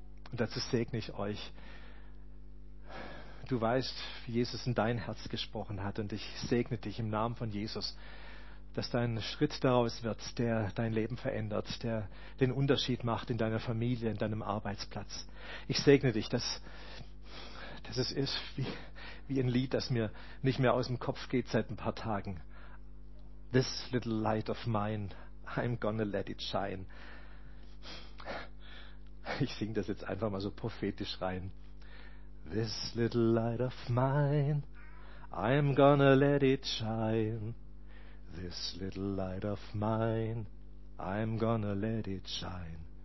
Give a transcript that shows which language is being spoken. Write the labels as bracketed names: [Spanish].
[German] Und dazu segne ich euch. Du weißt, wie Jesus in dein Herz gesprochen hat, und ich segne dich im Namen von Jesus, dass dein Schritt daraus wird, der dein Leben verändert, der den Unterschied macht in deiner Familie, in deinem Arbeitsplatz. Ich segne dich, dass es ist wie ein Lied, das mir nicht mehr aus dem Kopf geht seit ein paar Tagen. [English] This little light of mine, I'm gonna let it shine. [German] Ich singe das jetzt einfach mal so prophetisch rein. [English] This little light of mine, I'm gonna let it shine. This little light of mine, I'm gonna let it shine.